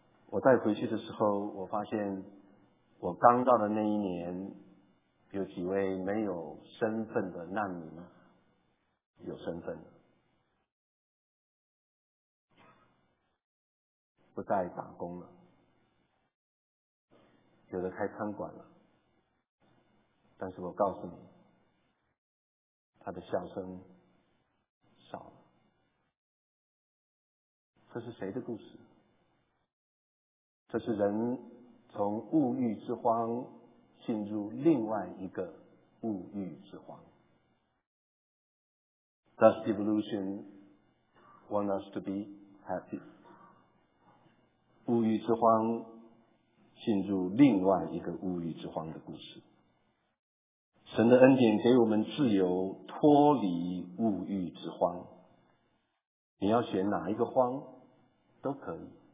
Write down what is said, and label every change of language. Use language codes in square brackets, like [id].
[zh] 我再回去的时候，我发现我刚到的那一年有几位没有身份的难民有身份，不再打工了，有的开餐馆了，但是我告诉你，他的笑声少了。这是谁的故事？这是人从物欲之荒进入另外一个物欲之荒。 [en] Does evolution want us to be happy? [zh] 物欲之荒进入另外一个物欲之荒的故事。神的恩典给我们自由脱离物欲之荒，你要选哪一个荒都可以，